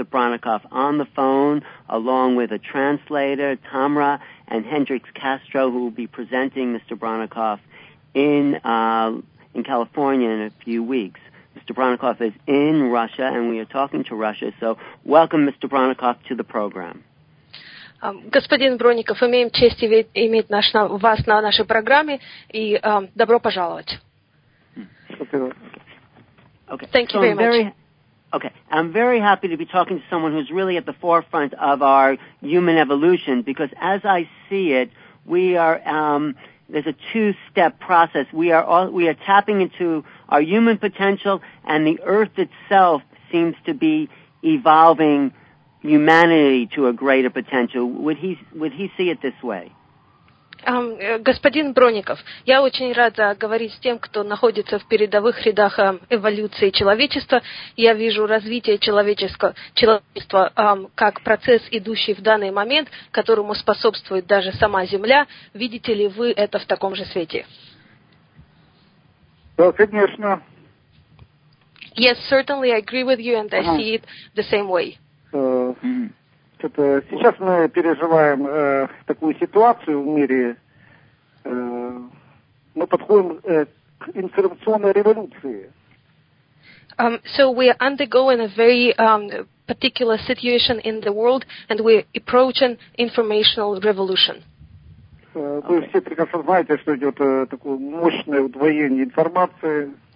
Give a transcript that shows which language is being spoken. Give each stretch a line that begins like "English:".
English: Bronnikoff on the phone, along with a translator, Tamra, and Hendrix Castro, who will be presenting Mr. Bronnikoff in California in a few weeks. Mr. Bronnikoff is in Russia, and we are talking to Russia. So welcome, Mr. Bronnikoff, to the program.
Russian: Господин Бронников, имеем честь иметь вас на нашей программе, и добро пожаловать.
English: Thank you very much. Okay, I'm very happy to be talking to someone who's really at the forefront of our human evolution, because as I see it, we are there's a two-step process. We are tapping into our human potential, and the Earth itself seems to be evolving humanity to a greater potential. Would he see it this way?
Russian: Господин Бронников, я очень рада говорить с тем, кто находится в передовых рядах эволюции человечества. Я вижу развитие человечества как процесс, идущий в данный момент, которому способствует даже сама Земля. Видите ли вы это в таком же свете? Да, конечно.
English: Yes, certainly, I agree with you, and I see it the same way.
Russian: Сейчас мы переживаем такую ситуацию в мире. Мы подходим к информационной революции.
English: So we are undergoing a very particular situation in the world, and we are approaching informational revolution.
Russian: Вы все прекрасно знаете, что идет такое мощное удвоение информации.